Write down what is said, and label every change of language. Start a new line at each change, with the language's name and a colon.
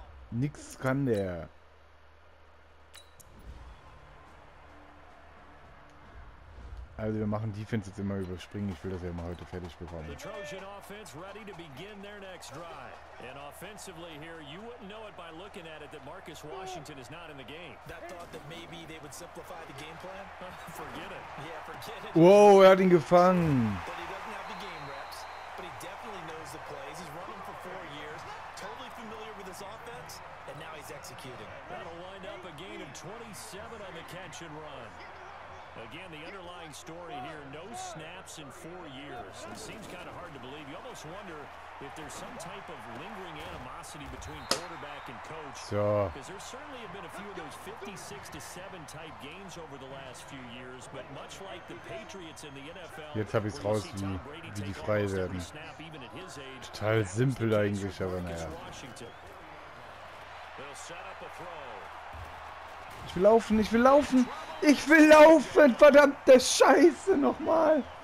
German: Nix kann der. Also wir machen Defense jetzt immer überspringen. Ich will das ja immer heute fertig bekommen.
English: The Trojan offense ready to begin their next drive. And offensively here, you wouldn't know it by looking at it that Marcus Washington is not in the game. That thought that maybe they would simplify the game plan? Forget it. Yeah, forget it.
German: Whoa, er hat ihn gefangen.
English: But he doesn't have the game reps, but he definitely knows the plays. He's running for 4 years, totally familiar with his offense, and now he's executing. That'll wind up a gain of 27 on the catch and run. Again, the underlying story here, no snaps in 4 years. It seems kind of hard to believe. You almost wonder if there's some type of lingering animosity between quarterback and coach. So. Because there certainly have been a few of those 56-7 type games over the last few years. But much like the Patriots in the NFL,
German: jetzt habe ich es raus, wie die frei werden.
English: Snap, even at his age.
German: Total simpel eigentlich, aber naja.
English: They'll set up a throw.
German: Ich will laufen, ich will laufen, ich will laufen, verdammte Scheiße, nochmal.